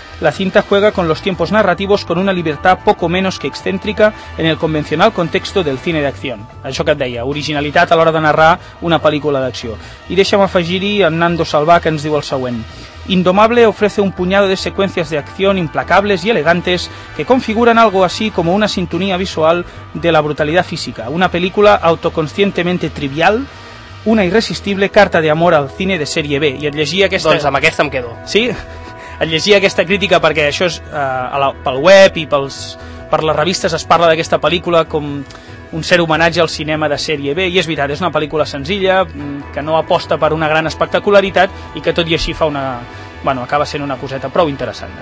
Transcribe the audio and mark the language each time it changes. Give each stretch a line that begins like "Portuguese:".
Spanish: La cinta juega con los tiempos narrativos con una libertad poco menos que excéntrica en el convencional contexto del cine d'acción.
Catalan: Això que et deia, originalitat a l'hora de narrar una pel·lícula d'acció. I deixa'm afegir-hi en Nando Salvà, que ens diu el següent.
Spanish: Indomable ofrece un puñado de secuencias de acción implacables y elegantes que configuran algo así como una sintonía visual de la brutalidad física. Una película autoconscientemente trivial, una irresistible carta de amor al cine de serie B.
Catalan: I et llegia aquesta... Doncs amb aquesta em quedo. Sí? Et llegia aquesta crítica perquè això és pel web i per les revistes es parla d'aquesta pel·lícula com un cert homenatge al cinema de sèrie B, i és veritat, és una pel·lícula senzilla que no aposta per una gran espectacularitat i que tot i així fa una, bueno, acaba sent una coseta prou interessant.